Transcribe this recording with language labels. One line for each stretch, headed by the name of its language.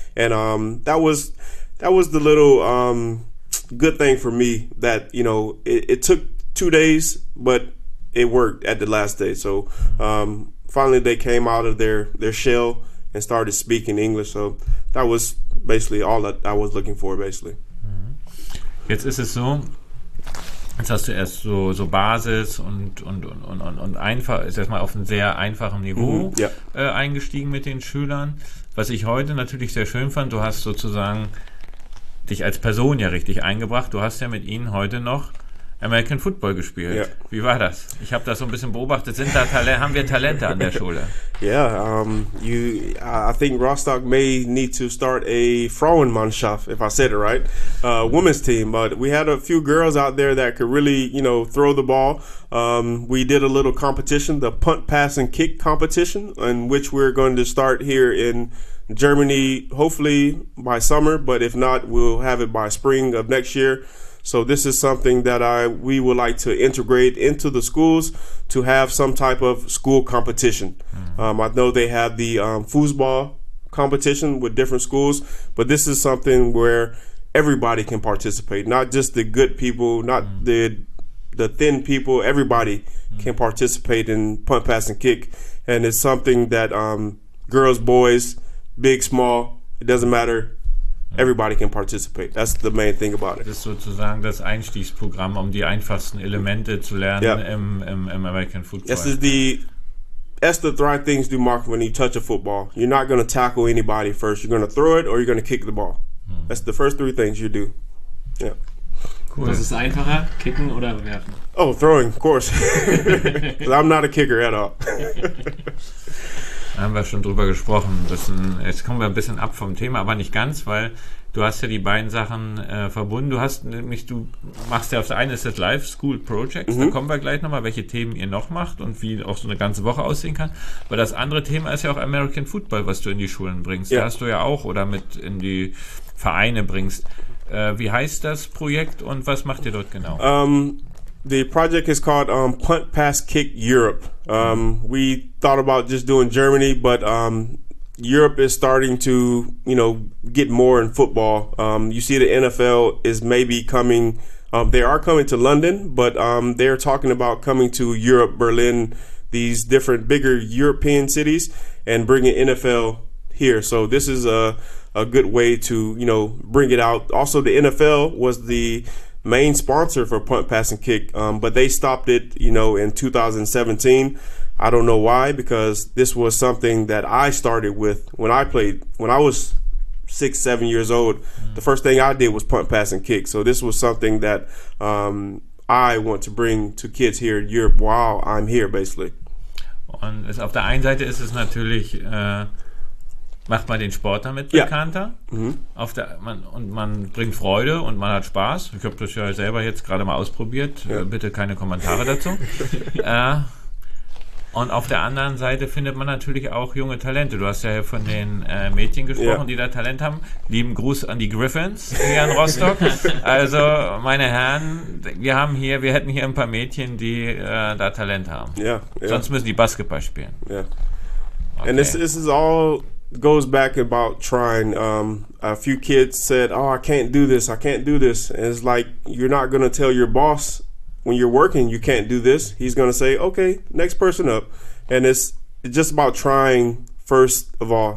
English: And that was the little good thing for me that, you know, it took 2 days, but it worked at the last day. So finally they came out of their shell and started speaking English. So that was basically all that I was looking for, basically.
German: Jetzt ist es so. Jetzt hast du erst so Basis und einfach, ist erstmal auf einem sehr einfachen Niveau eingestiegen mit den Schülern. Was ich heute natürlich sehr schön fand, du hast sozusagen dich als Person ja richtig eingebracht. Du hast ja mit ihnen heute noch American Football gespielt.
English: Yeah.
German: Wie war das? Ich habe das so ein bisschen beobachtet. Sind da haben wir Talente an der Schule?
English: Yeah, I think Rostock may need to start a Frauenmannschaft, if I said it right, women's team. But we had a few girls out there that could really, you know, throw the ball. We did a little competition, the punt, pass, and kick competition, in which we're going to start here in Germany, hopefully by summer. But if not, we'll have it by spring of next year. So this is something that we would like to integrate into the schools to have some type of school competition. I know they have the foosball competition with different schools, but this is something where everybody can participate, not just the good people, not the thin people. Everybody can participate in punt, pass, and kick. And it's something that girls, boys, big, small, it doesn't matter. Everybody can participate. That's the main thing about it.
German: Das ist sozusagen das Einstiegsprogramm, um die einfachsten Elemente zu lernen im American Football.
English: That's the three things you mark when you touch a football. You're not going to tackle anybody first. You're going to throw it or you're going to kick the ball. That's the first three things you do. Yeah. Cool.
German: Was ist einfacher, kicken oder werfen?
English: Oh, throwing, of course. Because I'm not a kicker at all.
German: Da haben wir schon drüber gesprochen. Jetzt kommen wir ein bisschen ab vom Thema, aber nicht ganz, weil du hast ja die beiden Sachen verbunden. Du hast nämlich, du machst ja auf der einen ist das Live School Projects, da kommen wir gleich nochmal, welche Themen ihr noch macht und wie auch so eine ganze Woche aussehen kann. Aber das andere Thema ist ja auch American Football, was du in die Schulen bringst.
English: Yeah.
German: Da hast du ja auch oder mit in die Vereine bringst. Wie heißt das Projekt und was macht ihr dort genau?
English: The project is called Punt Pass Kick Europe. We thought about just doing Germany, but Europe is starting to, you know, get more in football. You see the NFL is maybe coming. They are coming to London, but they're talking about coming to Europe, Berlin, these different bigger European cities, and bringing NFL here. So this is a good way to, you know, bring it out. Also, the NFL was the main sponsor for Punt, Pass, and Kick, but they stopped it, you know, in 2017. I don't know why, because this was something that I started with when I was six, 7 years old, the first thing I did was punt, pass, and kick. So this was something that I want to bring to kids here in Europe while I'm here, basically.
German: Und es, auf der einen Seite ist es natürlich, macht man den Sport damit bekannter. Auf der, man, und man bringt Freude und man hat Spaß. Ich habe das ja selber jetzt gerade mal ausprobiert. Bitte keine Kommentare dazu. Und auf der anderen Seite findet man natürlich auch junge Talente. Du hast ja hier von den Mädchen gesprochen, die da Talent haben. Lieben Gruß an die Griffins hier in Rostock. Also, meine Herren, wir haben hier, wir hätten hier ein paar Mädchen, die da Talent haben. Sonst müssen die Basketball spielen.
English: And this is all goes back about trying. A few kids said, oh, I can't do this, I can't do this. And it's like, you're not going to tell your boss, when you're working, you can't do this. He's going to say, okay, next person up. And it's just about trying, first of all.